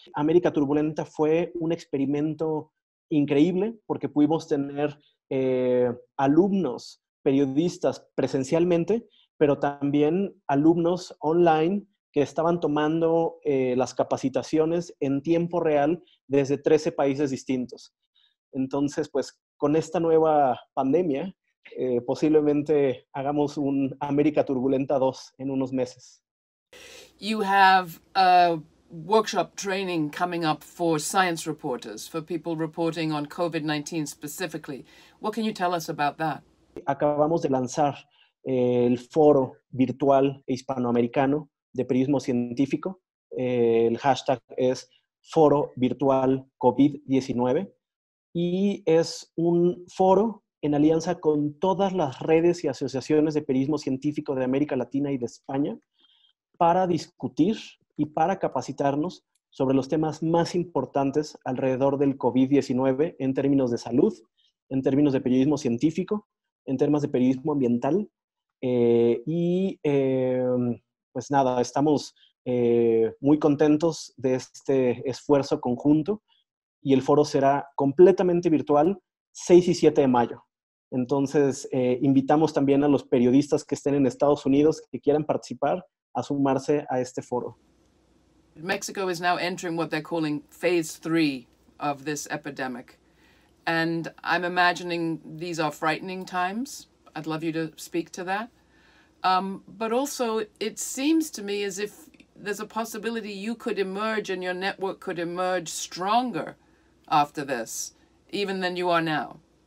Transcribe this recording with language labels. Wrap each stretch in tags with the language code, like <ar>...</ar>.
<es>América Turbulenta fue un experimento increíble porque pudimos tener alumnos periodistas presencialmente, pero también alumnos online que estaban tomando las capacitaciones en tiempo real desde 13 países distintos. Entonces, pues, con esta nueva pandemia, posiblemente hagamos un América Turbulenta 2 en unos meses.</es> <en>You have a workshop training coming up for science reporters, for people reporting on COVID-19 specifically. What can you tell us about that?</en> <es>Acabamos de lanzar el foro virtual hispanoamericano de periodismo científico. El hashtag es Foro Virtual COVID-19 y es un foro en alianza con todas las redes y asociaciones de periodismo científico de América Latina y de España para discutir y para capacitarnos sobre los temas más importantes alrededor del COVID-19 en términos de salud, en términos de periodismo científico, en términos de periodismo ambiental Pues nada, estamos muy contentos de este esfuerzo conjunto y el foro será completamente virtual 6 y 7 de mayo. Entonces, invitamos también a los periodistas que estén en Estados Unidos que quieran participar a sumarse a este foro.</es> <en>Mexico is now entering what they're calling phase 3 of this epidemic. And I'm imagining these are frightening times. I'd love you to speak to that. But also, it seems to me as if there's a possibility you could emerge and your network could emerge stronger after this, even than you are now.</en>